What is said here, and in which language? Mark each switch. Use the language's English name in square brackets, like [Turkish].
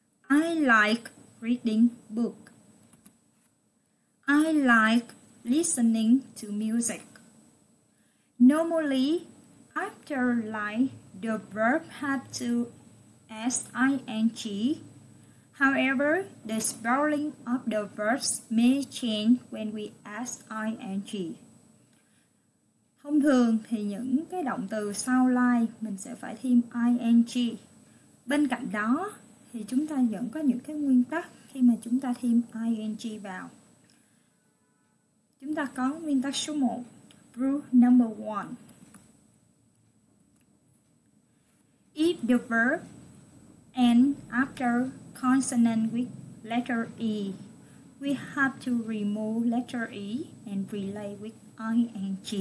[English] I like reading book. I like listening to music. Normally, after like the verb have to S-I-N-G. However, the spelling of the verbs may change when we S-I-N-G. [Vietnamese] Thông thường thì những cái động từ sau like mình sẽ phải thêm ing. Bên cạnh đó thì chúng ta vẫn có những cái nguyên tắc khi mà chúng ta thêm ing vào. Chúng ta có nguyên tắc số 1, [English] rule number 1. If the verb ends after consonant with letter E, we have to remove letter E and replace with ing.